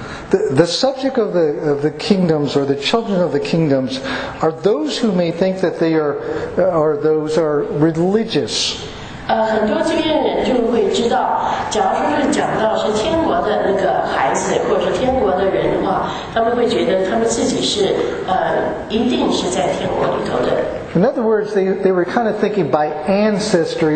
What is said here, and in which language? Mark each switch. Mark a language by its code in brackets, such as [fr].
[en] the subject of the kingdoms or the children of the kingdoms are those who may think that they are or those are religious. [zh] 很多这边人就会知道，假如说是讲到是天国的那个孩子，或者是天国的人的话，他们会觉得他们自己是一定是在天国里头的。 [en] In other words, they were kind of thinking by ancestry.